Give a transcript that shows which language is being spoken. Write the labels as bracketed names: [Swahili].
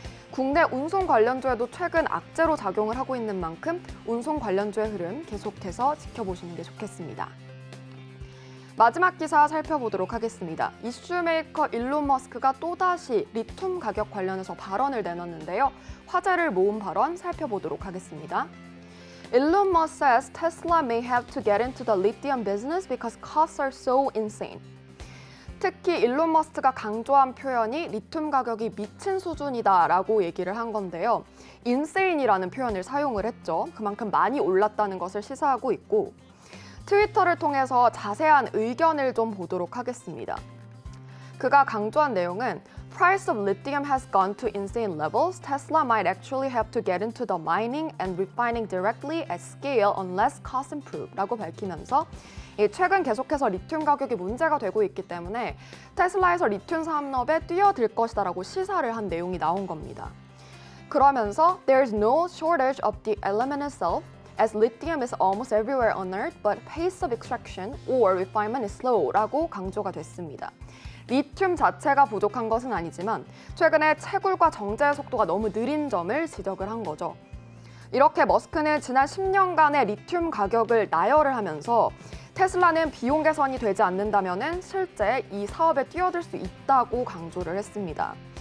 [Korean] 국내 운송 관련주에도 최근 악재로 작용을 하고 있는 만큼 운송 관련주의 흐름 계속해서 지켜보시는 게 좋겠습니다. 마지막 기사 살펴보도록 하겠습니다. 이슈메이커 일론 머스크가 또다시 리튬 가격 관련해서 발언을 내놨는데요. 화제를 모은 발언 살펴보도록 하겠습니다. [English] Elon Musk says Tesla may have to get into the lithium business because costs are so insane. [Korean] 특히 일론 머스크가 강조한 표현이 리튬 가격이 미친 수준이다 라고 얘기를 한 건데요. insane이라는 표현을 사용을 했죠. 그만큼 많이 올랐다는 것을 시사하고 있고 트위터를 통해서 자세한 의견을 좀 보도록 하겠습니다. 그가 강조한 내용은 [English] Price of lithium has gone to insane levels. Tesla might actually have to get into the mining and refining directly at scale unless costs improve. [Korean] 라고 밝히면서 최근 계속해서 리튬 가격이 문제가 되고 있기 때문에 테슬라에서 리튬 산업에 뛰어들 것이다 라고 시사를 한 내용이 나온 겁니다. 그러면서 [English] There's no shortage of the element itself as lithium is almost everywhere on earth but pace of extraction or refinement is slow. [Korean] 라고 강조가 됐습니다. 리튬 자체가 부족한 것은 아니지만 최근에 채굴과 정제의 속도가 너무 느린 점을 지적을 한 거죠. 이렇게 머스크는 지난 10년간의 리튬 가격을 나열을 하면서 테슬라는 비용 개선이 되지 않는다면 실제 이 사업에 뛰어들 수 있다고 강조를 했습니다.